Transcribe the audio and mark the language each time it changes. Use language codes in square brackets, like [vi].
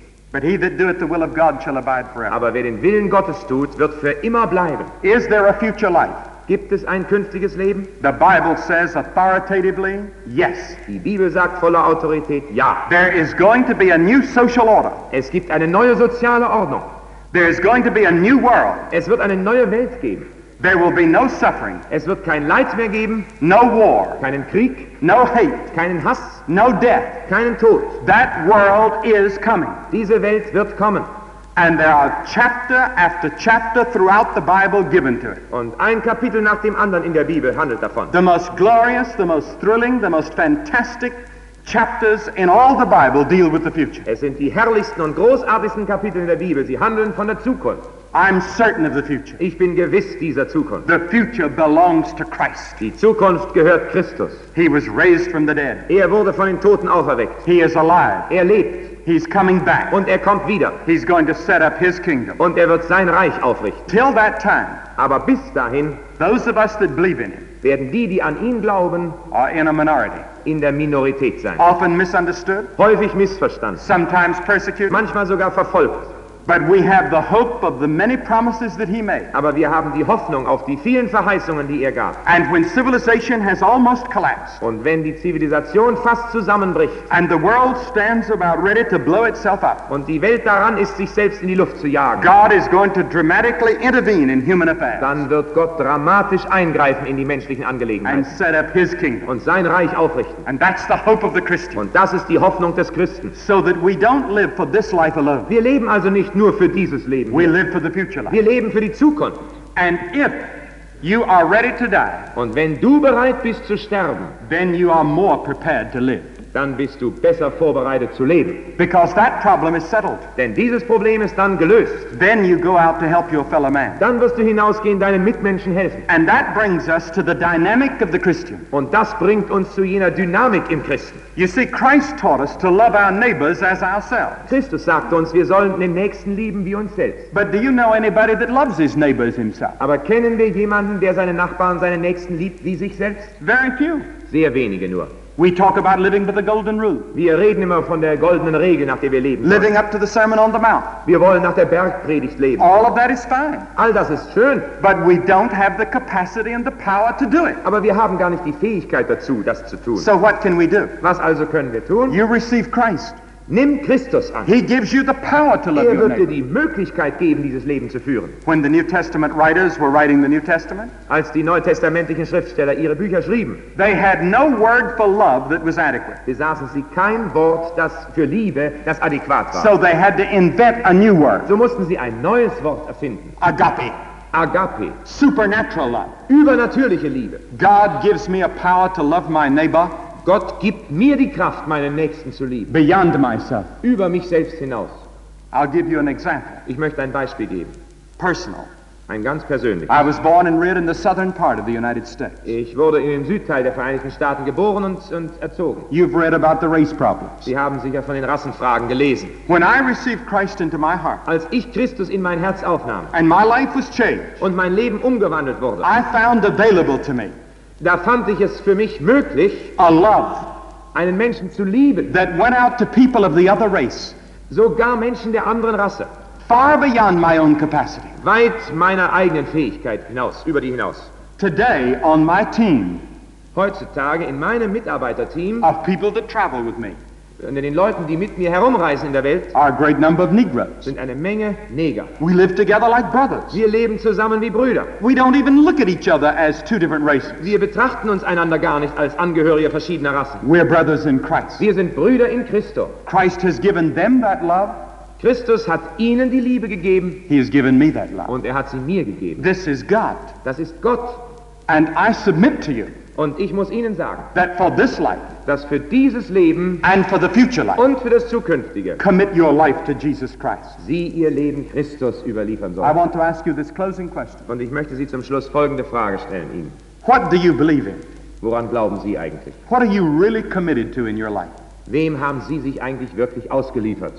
[en] But he that doeth the will of God shall abide forever. [de] Aber wer den Willen Gottes tut, wird für immer bleiben. [en] Is there a future life? [de] Gibt es ein künftiges Leben? [en] The Bible says authoritatively, yes. [de] Die Bibel sagt voller Autorität, ja. [en] There is going to be a new social order. [de] Es gibt eine neue soziale Ordnung. [en] There is going to be a new world. [de] Es wird eine neue Welt geben. [en] There will be no suffering. [de] Es wird kein Leid mehr geben. [en] No war. [de] Keinen Krieg. [en] No hate. [de] Keinen Hass. [en] No death. [de] Keinen Tod. [en] That world is coming. [de] Diese Welt wird kommen. [en] And there are chapter after chapter throughout the Bible given to it. [de] Und ein Kapitel nach dem anderen in der Bibel handelt davon. [en] The most glorious, the most thrilling, the most fantastic chapters in all the Bible deal with the future. [de] Es sind die herrlichsten und großartigsten Kapitel in der Bibel. Sie handeln von der Zukunft. [en] I'm certain of the future. [de] Ich bin gewiss dieser Zukunft. [en] The future belongs to Christ. [de] Die Zukunft gehört Christus. [en] He was raised from the dead. [de] Er wurde von den Toten auferweckt. [en] He is alive. [de] Er lebt. [en] He's coming back. [de] Und er kommt wieder. [en] He's going to set up his kingdom. [de] Und er wird sein Reich aufrichten. [en] Till that time. [de] Aber bis dahin. [en] Those of us that believe in him. [de] Werden die, die an ihn glauben, [en] are in a minority. [de] In der Minorität sein. [en] Often misunderstood. [de] Häufig missverstanden. [en] Sometimes persecuted. [de] Manchmal sogar verfolgt. [en] But we have the hope of the many promises that he made. [de] Aber wir haben die Hoffnung auf die vielen Verheißungen, die er gab. [en] And when civilization has almost collapsed. [de] Und wenn die Zivilisation fast zusammenbricht. [en] And the world stands about ready to blow itself up. [de] Und die Welt daran ist, sich selbst in die Luft zu jagen. [en] God is going to dramatically intervene in human affairs. [de] Dann wird Gott dramatisch eingreifen in die menschlichen Angelegenheiten. [en] And set up his kingdom. [de] Und sein Reich aufrichten. [en] And that's the hope of the Christian. [de] Und das ist die Hoffnung des Christen. [en] So that we don't live for this life alone. [de] Wir leben also nicht nur für dieses Leben. [en] We live for the future life. [de] Wir leben für die Zukunft. [en] And if you are ready to die, [de] und wenn du bereit bist zu sterben, [en] then you are more prepared to live. [de] Dann bist du besser vorbereitet zu leben. [en] Because that problem is settled. [de] Denn dieses Problem ist dann gelöst. [en] Then you go out to help your fellow man. [de] Dann wirst du hinausgehen, deinen Mitmenschen helfen. [en] And that brings us to the dynamic of the Christian. [de] Und das bringt uns zu jener Dynamik im Christen. [en] You see, Christ taught us to love our neighbors as ourselves. [de] Christus sagt uns, wir sollen den Nächsten lieben wie uns selbst. [en] But do you know anybody that loves his neighbors himself? [de] Aber kennen wir jemanden, der seine Nachbarn, seine Nächsten liebt wie sich selbst? [en] Very few. [de] Sehr wenige nur. [en] We talk about living by the golden rule. [de] Wir reden immer von der goldenen Regel, nach der wir leben. [en] Living up to the Sermon on the Mount. [de] Wir wollen nach der Bergpredigt leben. [en] All of that is fine. [de] All das ist schön. [en] But we don't have the capacity and the power to do it. [de] Aber wir haben gar nicht die Fähigkeit dazu, das zu tun. [en] So what can we do? [de] Was also können wir tun? [en] You receive Christ. [de] Nimm Christus an. [en] He gives you the power to love your neighbor. [de] Er wird dir die Möglichkeit geben, dieses Leben zu führen. [en] When the New Testament writers were writing the New Testament, [de] als die neutestamentlichen Schriftsteller ihre Bücher schrieben, [en] they had no word for love that was adequate. [de] Besaßen sie kein Wort, das für Liebe, das adäquat war. [en] So they had to invent a new word. [de] So mussten sie ein neues Wort erfinden. [en] Agape. [de] Agape. [en] Supernatural love. [de] Übernatürliche Liebe. [en] God gives me a power to love my neighbor. [de] Gott gibt mir die Kraft, meinen Nächsten zu lieben. [en] Beyond myself. [de] Über mich selbst hinaus. [en] I'll give you an example. [de] Ich möchte ein Beispiel geben. [en] Personal. [de] Ein ganz persönliches. [en] I was born and reared in the southern part of the United States. [de] Ich wurde in dem Südteil der Vereinigten Staaten geboren und erzogen. [en] You've read about the race problems. [de] Sie haben sicher von den Rassenfragen gelesen. [en] When I received Christ into my heart, [de] als ich Christus in mein Herz aufnahm, [en] and my life was changed, [de] und mein Leben umgewandelt wurde, [en] I found available to me, [de] da fand ich es für mich möglich, [en] a love, [de] einen Menschen zu lieben, [en] that went out to people of the other race, [de] sogar Menschen der anderen Rasse, [en] far beyond my own capacity, [de] weit meiner eigenen Fähigkeit hinaus, über die hinaus. [en] Today on my team, [de] heutzutage in meinem Mitarbeiterteam, [en] of people that travel with me, [de] und in den Leuten, die mit mir herumreisen in der Welt, [en] are a great number of Negroes, [de] sind eine Menge Neger. [en] We live together like brothers. [de] Wir leben zusammen wie Brüder. [en] We don't even look at each other as two different races. [de] Wir betrachten uns einander gar nicht als Angehörige verschiedener Rassen. [en] We're brothers in Christ. [de] Wir sind Brüder in Christo. [en] Christ has given them that love. [de] Christus hat ihnen die Liebe gegeben. [en] He has given me that love. [de] Und er hat sie mir gegeben. [en] This is God. [de] Das ist Gott. [en] And I submit to you, [de] und ich muss Ihnen sagen, [en] that for this life, [de] dass für dieses Leben [en] and for the future life, [de] und für das zukünftige, [en] commit your life to Jesus Christ. [de] Sie Ihr Leben Christus überliefern sollen. [en] I want to ask you this closing question. [de] Und ich möchte Sie zum Schluss folgende Frage stellen Ihnen. [en] What do you believe in? [de] Woran glauben Sie eigentlich? [en] What are you really committed to in your life? [de] Wem haben Sie sich eigentlich wirklich ausgeliefert?